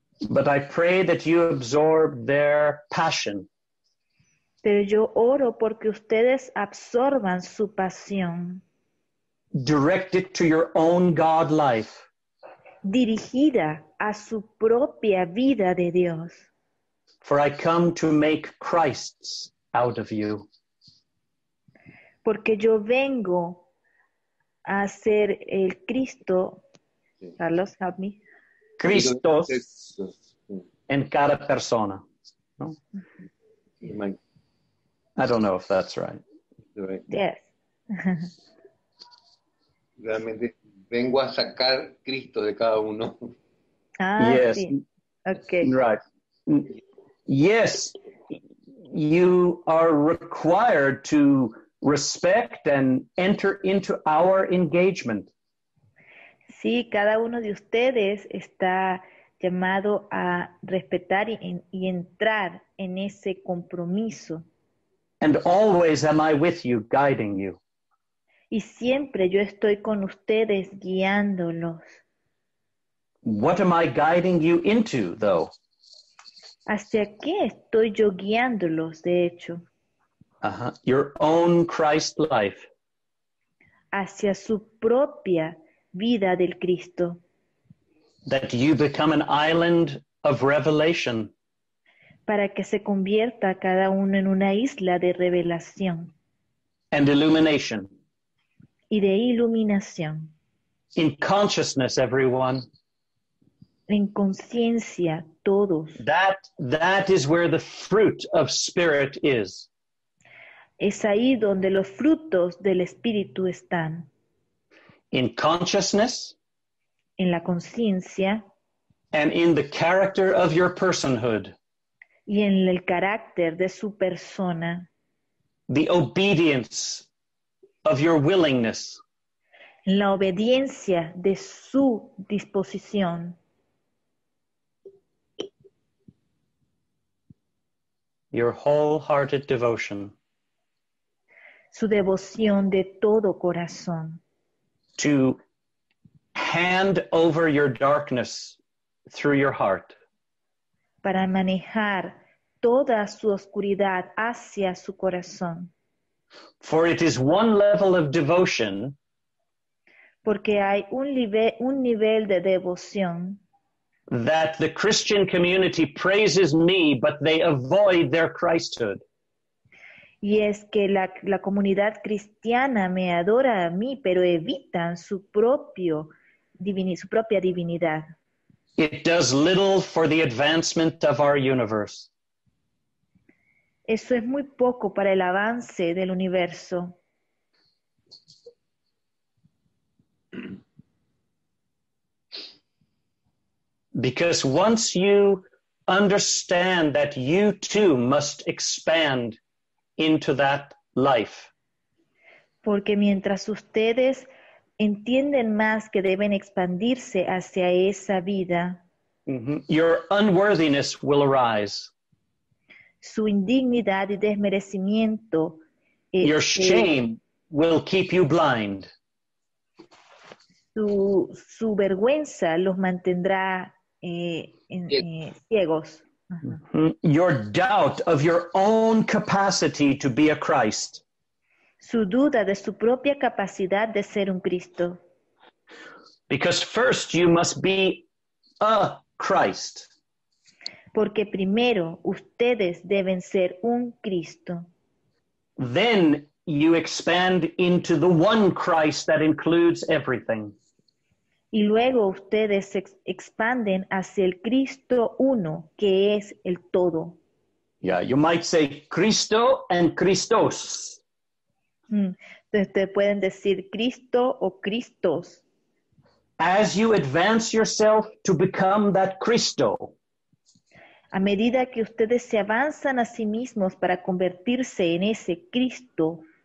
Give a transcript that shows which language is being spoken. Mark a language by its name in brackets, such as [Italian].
[English] But I pray that you absorb their passion. [Spanish] Pero yo oro porque ustedes absorban su pasión. [English] Direct it to your own God life. [Spanish] Dirigida a su propia vida de Dios. [English] For I come to make Christs out of you. [Spanish] Porque yo vengo a ser el Cristo. Carlos, [English] help me. [Spanish] Cristos en cada persona. No? [English] I don't know if that's right. Yes. [Spanish] Realmente. Vengo a sacar Cristo de cada uno. [English] Ah, yes. Sí. Okay. Right. Yes, you are required to respect and enter into our engagement. [Spanish] Sí, cada uno de ustedes está llamado a respetar y entrar en ese compromiso. [English] And always am I with you, guiding you. [Spanish] Y siempre yo estoy con ustedes guiándolos. [English] What am I guiding you into, though? [Spanish] ¿Hacia qué estoy yo guiándolos, de hecho? [English] Uh-huh. Your own Christ life. [Spanish] Hacia su propia vida del Cristo. [English] That you become an island of revelation. [Spanish] Para que se convierta cada uno en una isla de revelación. [English] And illumination. [Spanish] Y de iluminación. [English] In consciousness, everyone. [Spanish] En conciencia, todos. [English] That is where the fruit of spirit is. [Spanish] Es ahí donde los frutos del espíritu están. [English] In consciousness. [Spanish] En la conciencia. [English] And in the character of your personhood. [Spanish] Y en el carácter de su persona. [English] The obedience of your willingness. [Spanish] La obediencia de su disposición. [English] Your wholehearted devotion. [Spanish] Su devoción de todo corazón. [English] To hand over your darkness through your heart. [Spanish] Para manejar toda su oscuridad hacia su corazón. [English] For it is one level of devotion. [Spanish] Porque hay un nivel de devoción. [English] that the Christian community praises me, but they avoid their Christhood. [Spanish] Y es que la comunidad cristiana me adora a mí, pero evitan su propia divinidad. [English] It does little for the advancement of our universe. [Spanish] Eso es muy poco para el avance del universo. [English] Because once you understand that you too must expand into that life. [Spanish] Porque mientras ustedes entienden más que deben expandirse hacia esa vida, [English] Your unworthiness will arise. [Spanish] Su indignidad y desmerecimiento. [English] Your shame will keep you blind. [Spanish] Su vergüenza los mantendrá ciegos. [English] Your doubt of your own capacity to be a Christ. [Spanish] Su duda de su propia capacidad de ser un Cristo. [English] Because first you must be a Christ. [Spanish] Porque primero ustedes deben ser un Cristo. [English] Then you expand into the one Christ that includes everything. [Spanish] Y luego ustedes expanden hacia el Cristo uno, que es el todo. [English] Yeah, you might say Cristo and Christos. [Spanish] Entonces ustedes pueden decir Cristo o Christos. [English] As you advance yourself to become that Cristo. [Spanish] A medida que ustedes se avanzan a sí mismos para convertirse en ese Cristo.